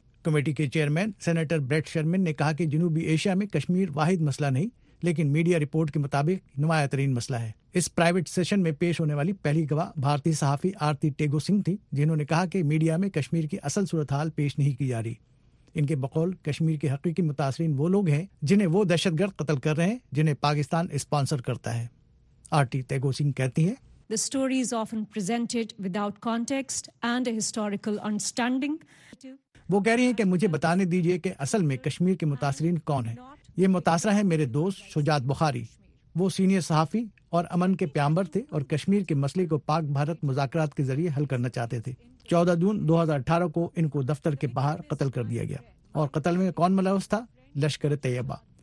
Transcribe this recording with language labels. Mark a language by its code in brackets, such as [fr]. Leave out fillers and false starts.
[ur] Committee کے chairman senator Brett Sharman نے کہا کہ جنوبی ایشیا میں کشمیر واحد مسئلہ نہیں، لیکن میڈیا رپورٹ کے مطابق نمایاں ترین مسئلہ ہے۔ اس پرائیویٹ سیشن میں پیش ہونے والی پہلی گواہ بھارتی صحافی آرتی ٹیگو سنگھ تھی، جنہوں نے کہا کہ میڈیا میں کشمیر کی اصل صورتحال پیش نہیں کی جا رہی۔ ان کے بقول کشمیر کے حقیقی متاثرین وہ لوگ ہیں جنہیں وہ دہشت گرد قتل کر رہے ہیں جنہیں پاکستان اسپانسر کرتا ہے۔ آرتی ٹیگو سنگھ کہتی ہیں، [en] The story is often presented without context and a historical understanding. [ur] وہ کہہ رہی ہیں کہ مجھے بتانے دیجئے کہ اصل میں کشمیر کے متاثرین کون ہیں۔ یہ متاثرہ ہیں میرے دوست شجاعت بخاری، وہ سینئر صحافی اور امن کے پیامبر تھے اور کشمیر کے مسئلے کو پاک بھارت مذاکرات کے ذریعے حل کرنا چاہتے تھے۔ 14 جون 2018 کو ان کو دفتر کے باہر قتل کر دیا گیا، اور قتل میں کون ملوث تھا؟ لشکر طیبہ،